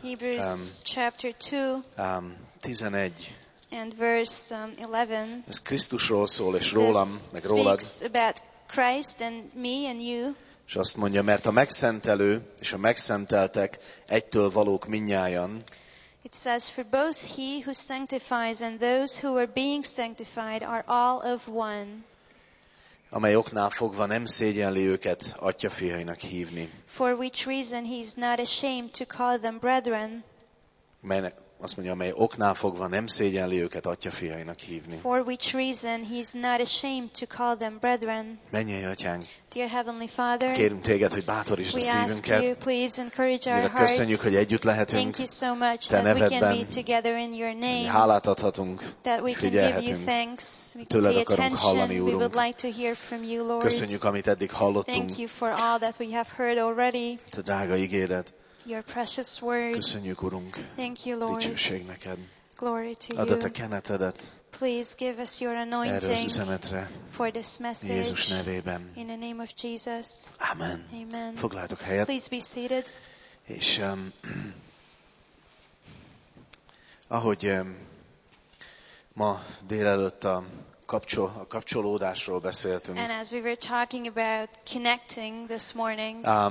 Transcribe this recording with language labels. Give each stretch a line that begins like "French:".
English: Hebrews chapter 2, 11. And verse 11.
Hungarian: Ez Krisztusról szól, és rólam, meg rólad.
English: Speaks about Christ and me and you.
Hungarian: És azt mondja, mert a megszentelő és a megszenteltek egytől valók mindnyájan.
English: It says, for both he who sanctifies and those who are being sanctified are all of one.
Hungarian: amely oknál fogva nem szégyenli őket atyafiainak hívni.
English: For which reason he is not ashamed to call them brethren.
Hungarian: Azt mondja, amely oknál fogva nem szégyenli őket atyafiainak hívni.
English: For which reason he is not ashamed to call them brethren.
Hungarian: Mennyei atyánk,
English: dear Heavenly Father,
Hungarian: kérünk téged, hogy bátorítsd a szívünket.
English: We ask you, please encourage our hearts.
Hungarian: Köszönjük, hogy együtt lehetünk.
English: Thank you so much
Hungarian: te nevedben,
English: that we can be together in your name.
Hungarian: Hálát adhatunk,
English: that we can give you thanks.
Hungarian: Tőled akarunk hallani, Úrunk.
English: We would like to hear from you, Lord.
Hungarian: Köszönjük, amit eddig hallottunk.
English: Thank you for all that we have heard already.
Hungarian: Te drága ígédet.
English: Your precious word.
Hungarian: Köszönjük, Urunk.
English: Thank you, Lord.
Hungarian: Dicsőség neked.
English: Glory to
Hungarian: Add you. Add a kenetedet.
English: Please give us your anointing for this message.
Hungarian: Jézus nevében.
English: In the name of Jesus.
Hungarian: Amen.
English: Amen.
Hungarian: Foglaljatok helyet.
English: Please be seated.
Hungarian: És ahogy ma délelőtt a kapcsolódásról beszéltünk.
English: And as we were talking about connecting this morning.